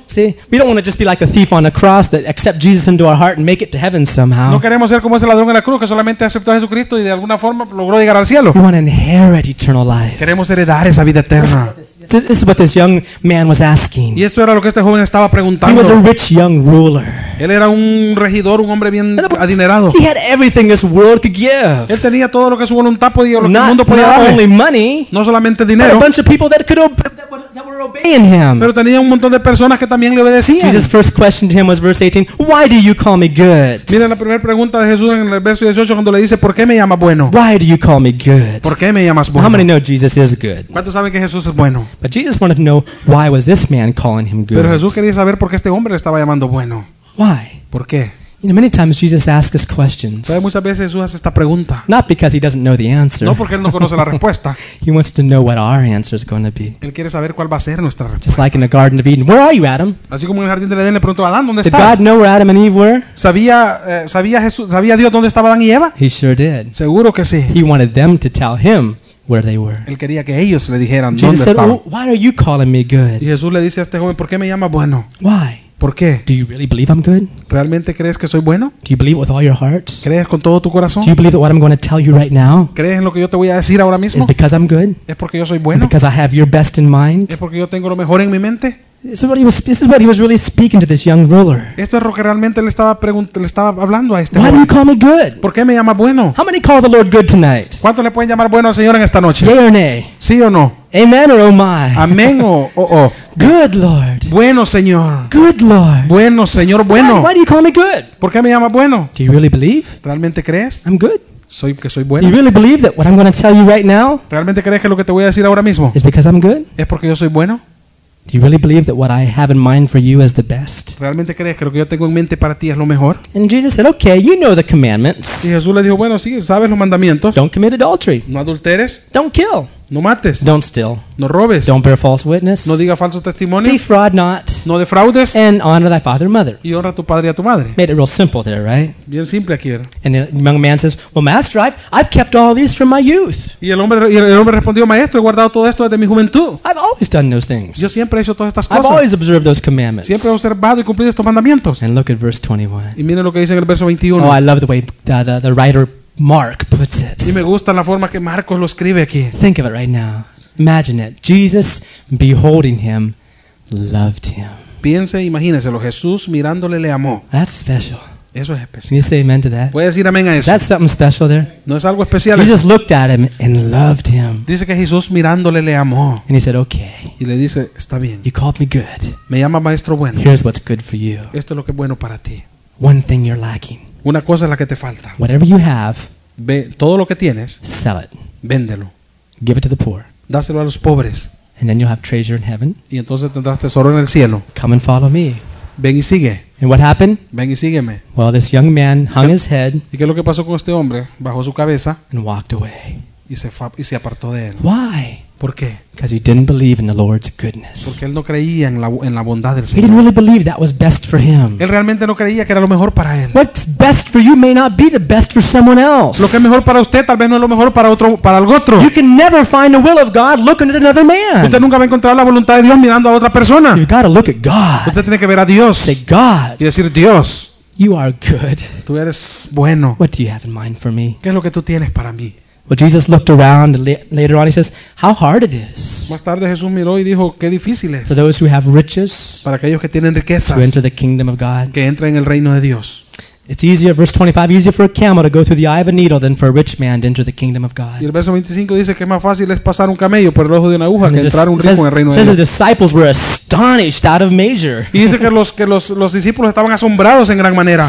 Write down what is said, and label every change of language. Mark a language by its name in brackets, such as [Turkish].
[English] See, we don't want to just be like the thief on the cross that accept Jesus into our heart and make it to heaven somehow. [Spanish] No queremos ser como ese ladrón en la cruz que solamente aceptó a Jesucristo y de alguna forma logró llegar al cielo. [English] We want to inherit eternal life. [Spanish] Queremos heredar esa vida eterna. [English] This is what this young man was asking. [Spanish] Y eso era lo que este joven estaba preguntando. [English] He was a rich young ruler. [Spanish] Él era un regidor, un hombre bien adinerado. [English] He had everything this world could give. [Spanish] Él tenía todo lo que su voluntad podía, lo que el mundo podía darle. [English] Not only money. [Spanish] No solamente dinero. [English] But a bunch of people that could open obeying him. [Spanish] Pero tenía un montón de personas que también le obedecían. [English] Jesus' first question to him was verse 18. Why do you call me good? [Spanish] Mira la primera pregunta de Jesús en el verso 18 cuando le dice, ¿por qué me llamas bueno? [English] Why do you call me good? [Spanish] ¿Por qué me llamas bueno? [English] How many know Jesus is good? [Spanish] ¿Cuántos saben que Jesús es bueno? [English] But Jesus wanted to know why was this man calling him good. [Spanish] Pero Jesús quería saber por qué este hombre le estaba llamando bueno. [English] Why? [Spanish] ¿Por qué? [English] You know, many times Jesus asks us questions. [Spanish] Pero muchas veces Jesús hace esta pregunta. [English] Not because he doesn't know the answer. [Spanish] No porque él no conoce la respuesta. [English] He wants to know what our answer is going to be. [Spanish] Él quiere saber cuál va a ser nuestra respuesta. [English] Just like in the Garden of Eden, where are you, Adam? [Spanish] Así como en el jardín del Edén le preguntó a Adán, ¿dónde estás? [English] Did God know where Adam and Eve were? [Spanish] ¿Sabía Dios dónde estaba Adán y Eva? [English] He sure did. [Spanish] Seguro que sí. [English] He wanted them to tell him where they were. [Spanish] Él quería que ellos le dijeran [English] Jesus [Spanish] dónde [English] said, [Spanish] estaban. [English] Oh, why are you calling me good? [Spanish] Y Jesús le dice a este joven, ¿por qué me llamas bueno? [English] Why? [Spanish] ¿Por qué? [English] Do you really believe I'm good? [Spanish] ¿Realmente crees que soy bueno? [English] Do you believe it with all your heart? [Spanish] ¿Crees con todo tu corazón? [English] Do you believe that what I'm going to tell you right now? [Spanish] ¿Crees en lo que yo te voy a decir ahora mismo? [English] Is because I'm good? [Spanish] ¿Es porque yo soy bueno? [English] Because I have your best in mind? [Spanish] ¿Es porque yo tengo lo mejor en mi mente? [English] This is what he was really speaking to this young ruler. [Spanish] Esto es lo que realmente le estaba hablando a este. [English] Why do you call me good? [Spanish] ¿Por qué me llamas bueno? [English] How many call the Lord good tonight? [Spanish] ¿Cuántos le pueden llamar bueno al Señor en esta noche? [English] Yay or nay? [Spanish] Sí o no. [English] Amen or oh my. [Spanish] Amén o oh. [English] Good Lord. [Spanish] Bueno Señor. [English] Good Lord. [Spanish] Bueno Señor, bueno. [English] Why do you call me good? [Spanish] ¿Por qué me llamas bueno? [English] Do you really believe? [Spanish] ¿Realmente crees? [English] I'm good. [Spanish] soy bueno. [English] Do you really believe that what I'm going to tell you right now? [Spanish] ¿Realmente crees que lo que te voy a decir ahora mismo? [English] Is because I'm good? [Spanish] ¿Es porque yo soy bueno? [English] Do you really believe that what I have in mind for you is the best? [Spanish] ¿Realmente crees que lo que yo tengo en mente para ti es lo mejor? [English] And Jesus said, "Okay, you know the commandments." [Spanish] Y Jesús le dijo, "Bueno, sí, sabes los mandamientos." [English] Don't commit adultery. [Spanish] No adulteres. [English] Don't kill. [Spanish] No mates. [English] Don't steal. [Spanish] No robes. [English] Don't bear false witness. [Spanish] No diga falso testimonio. [English] Defraud not. [Spanish] No defraudes. [English] And honor thy father and mother. [Spanish] Y honra a tu padre y a tu madre. [English] Made it real simple there, right? [Spanish] Bien simple aquí, ¿verdad? [English] And the young man says, "Well, master, I've kept all these from my youth." [Spanish] Y el hombre respondió, "Maestro, he guardado todo esto desde mi juventud." [English] I've always done those things. [Spanish] Yo siempre he hecho todas estas cosas. [English] I've always observed those commandments. [Spanish] Siempre he observado y cumplido estos mandamientos. [English] And look at verse 21. [Spanish] Y miren lo que dice en el verso 21. [English] Oh, I love the way the writer Mark puts it. [Spanish] Y me gusta la forma que Marcos lo escribe aquí. [English] Think of it right now. Imagine it. Jesus, beholding him, loved him. [Spanish] Piense, imagínese, Jesús mirándole le amó. [English] That's special. [Spanish] Eso es especial. [English] Can you say amen to that? [Spanish] ¿Puedes decir amén a eso? [English] That's something special there. [Spanish] No es algo especial. [English] Jesus looked at him and loved him. [Spanish] Dice que Jesús mirándole le amó. [English] And he said, "Okay." [Spanish] Y le dice, está bien. [English] You called me good. [Spanish] Me llama maestro bueno. [English] Here's what's good for you. [Spanish] Esto es lo que es bueno para ti. [English] One thing you're lacking. [Spanish] Una cosa es la que te falta. [English] Whatever you have, [Spanish] ve, todo lo que tienes, [English] sell it. [Spanish] Véndelo. [English] Give it to the poor. [Spanish] Dáselo a los pobres. [English] And then you'll have treasure in heaven. [Spanish] Y entonces tendrás tesoro en el cielo. [English] Come and follow me. [Spanish] Ven y sigue. [English] And what happened? [Spanish] Ven y sígueme. [English] Well, this young man hung his head. [Spanish] ¿Y qué es lo que pasó con este hombre? Bajó su cabeza. [English] And walked away. [Spanish] Y se apartó de él. [English] Why? [Spanish] ¿Por qué? [English] Because he didn't believe in the Lord's goodness. [Spanish] Porque él no creía en la bondad del Señor. [English] He didn't really believe that was best for him. [Spanish] Él realmente no creía que era lo mejor para él. [English] What's best for you may not be the best for someone else. [Spanish] Lo que es mejor para usted tal vez no es lo mejor para algo otro. [English] You can never find the will of God looking at another man. [Spanish] Usted nunca va a encontrar la voluntad de Dios mirando a otra persona. [English] You gotta look at God. [Spanish] Usted tiene que ver a Dios. [English] Say God. [Spanish] Y decir Dios. [English] You are good. [Spanish] Tú eres bueno. [English] What do you have in mind for me? [Spanish] ¿Qué es lo que tú tienes para mí? [English] Well, Jesus looked around later on. He says, "How hard it is." [Spanish] Más tarde Jesús miró y dijo, qué difícil es. [English] For those who have riches, [Spanish] para aquellos que tienen riquezas, [English] to enter the kingdom of God, [Spanish] que entren en el reino de Dios. [English] It's easier, verse 25, easier for a camel to go through the eye of a needle than for a rich man to enter the kingdom of God. [Spanish] Y el verso 25 dice que es más fácil es pasar un camello por el ojo de una aguja que entrar un rico en el reino de Dios. [English] Says the disciples were astonished out of measure. [Spanish] Y dice que los discípulos estaban asombrados en gran manera.